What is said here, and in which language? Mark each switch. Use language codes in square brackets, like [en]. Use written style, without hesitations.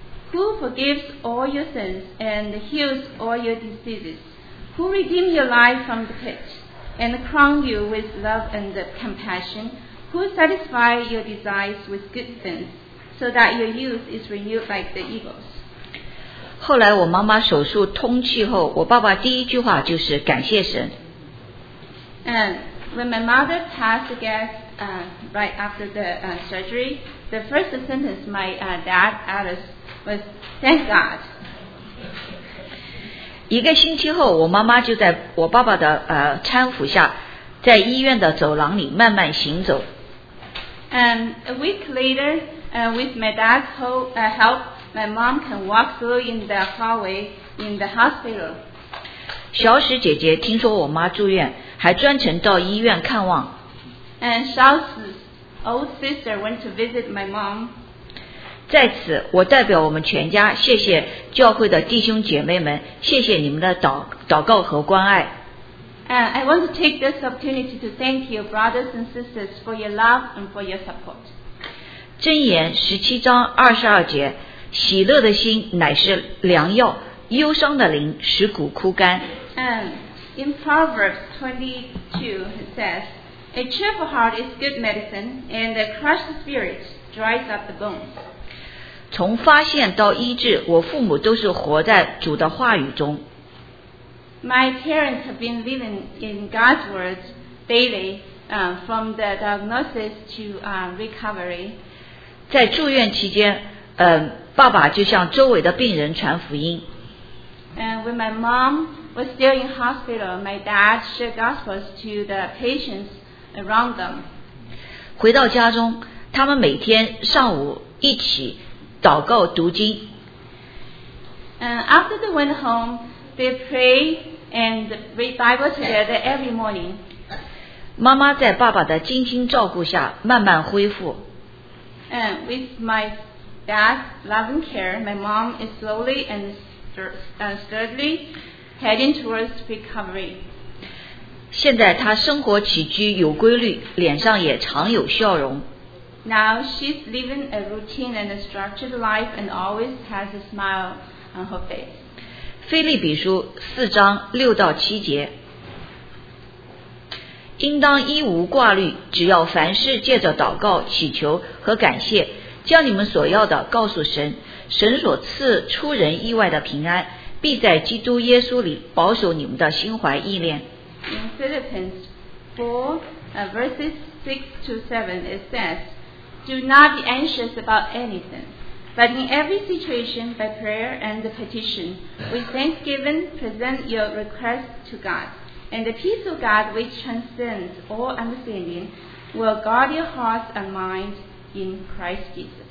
[en] Who forgives all your sins and heals all your diseases? Who redeems your life from the pit and crowns you with love and compassion? Who satisfies your desires with good things so that your youth is renewed like the eagles? [zh] 后来我妈妈手术通气后，我爸爸第一句话就是感谢神。 [en] And when my mother passed gas, right after the surgery, the first sentence my dad added was "Thank God." [zh] 一个星期后，我妈妈就在我爸爸的搀扶下，在医院的走廊里慢慢行走。 [en] And a week later, with my dad's help. My mom can walk through in the hallway in the hospital. [zh] 小史姐姐听说我妈住院，还专程到医院看望。 [en] And Xiao's old sister went to visit my mom. [zh] 在此，我代表我们全家，谢谢教会的弟兄姐妹们，谢谢你们的祷告和关爱。 [en] And I want to take this opportunity to thank you, brothers and sisters, for your love and for your support. [zh] 箴言十七章二十二节。喜乐的心乃是良药，忧伤的灵使骨枯干。 [en] In Proverbs 22 it says, A cheerful heart is good medicine, and a crushed spirit dries up the bones. [zh] 从发现到医治，我父母都是活在主的话语中。 [en] My parents have been living in God's words daily, from the diagnosis to recovery. [zh] 在住院期间，爸爸就向周围的病人传福音。 [en] And when my mom was still in hospital, my dad shared gospels to the patients around them. [zh] 回到家中，他们每天上午一起祷告读经。 [en] And after they went home, they pray and read Bible together every morning. [zh] 妈妈在爸爸的精心照顾下慢慢恢复。 [en] And with my dad's loving care, my mom is slowly and steadily heading towards recovery. [zh] 现在她生活起居有规律，脸上也常有笑容。 [en] Now she's living a routine and a structured life and always has a smile on her face. [zh] 腓立比书四章六到七节，应当一无挂虑，只要凡事借着祷告、祈求和感谢将你们所要的告诉神，神所赐出人意外的平安必在基督耶稣里保守你们的心怀意念。 [en] In Philippians 4 verses 6 to 7 it says, Do not be anxious about anything, but in every situation by prayer and petition with thanksgiving present your request to God, and the peace of God which transcends all understanding will guard your hearts and mindsIn Christ Jesus.